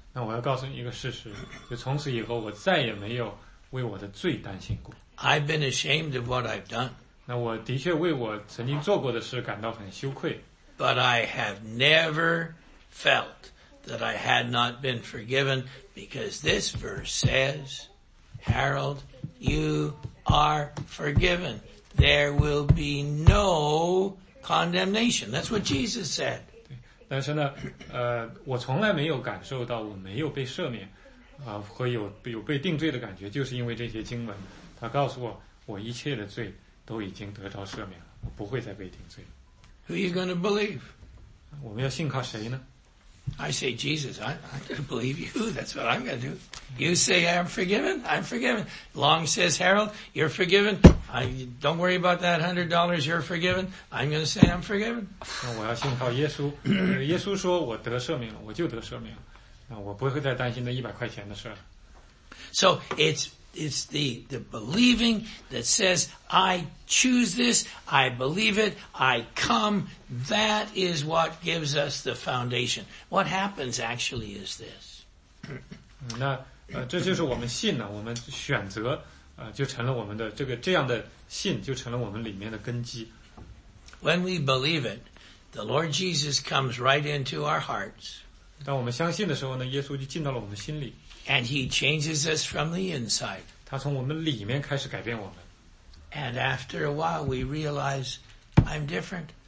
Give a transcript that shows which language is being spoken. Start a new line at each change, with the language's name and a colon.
Chinese: 那我要告诉你一个事实，就从此以后我再也没有为我的罪担心过。
English: I've been ashamed of what I've done.
Chinese: 那我的确为我曾经做过的事感到很羞愧。
English: But I have never felt that I had not been forgiven because this verse says, Harold, you are forgiven. There will be no condemnation. That's what Jesus said.
Chinese: 但是呢，我从来没有感受到我没有被赦免，和有被定罪的感觉，就是因为这些经文，他告诉我，我一切的罪都已经得着赦免了，我不会再被定罪。
English: Who are you going to believe?
Chinese: 我们要信靠谁呢？
English: I say Jesus, I'm going to believe you. That's what I'm going to do. You say I'm forgiven. I'm forgiven. Long says Harold, you're forgiven. Don't worry about that $100. You're forgiven. I'm going to say I'm forgiven.
Chinese: 那我要信靠耶稣。耶稣说我得赦免了，我就得赦免了。那我不会再担心那100块钱的事了。
English: So it's the believing that says I choose this. I believe it. I come. That is what gives us the foundation. What happens actually is this.
Chinese: 那这就是我们信呢，我们选择就成了我们的这个这样的信，就成了我们里面的根基。
English: When we believe it, the Lord Jesus comes right into our hearts.
Chinese: 当我们相信的时候呢，耶稣就进到了我们心里。
English: And he changes us from the inside.
Chinese: 他从我们里面开始改变我们。
English: And after a while, we realize I'm different.